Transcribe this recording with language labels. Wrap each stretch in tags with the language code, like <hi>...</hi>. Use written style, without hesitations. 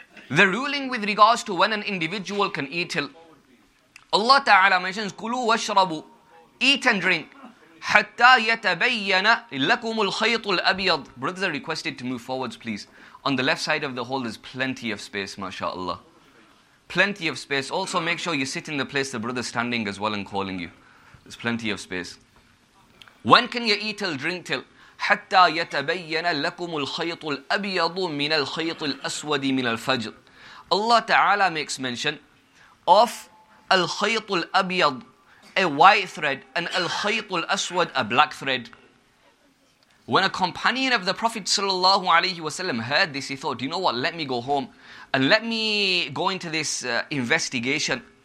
<en>The ruling with regards to when an individual can eat till, Allah Ta'ala mentions,</en> <ar>كُلُوا وَاشْرَبُوا,</ar> <en>eat and drink,</en> <ar>حَتَّى يَتَبَيَّنَ لَكُمُ الْخَيْطُ الْأَبْيَضُ.</ar> <en>Brothers are requested to move forwards, please. On the left side of the hall, there's plenty of space, mashallah. Plenty of space. Also, make sure you sit in the place the brother's standing as well and calling you. There's plenty of space. When can you eat till, drink till?</en> <ar>حتى يتبين لكم الخيط الأبيض من الخيط الأسود من الفجر.</ar> <en>Allah Ta'ala makes mention of الخيط الأبيض, a white thread, and الخيط الأسود, a black thread. When a companion of the Prophet sallallahu alaihi wasallam heard this, he thought, you know what, let me go home and let me go into this investigation.</en>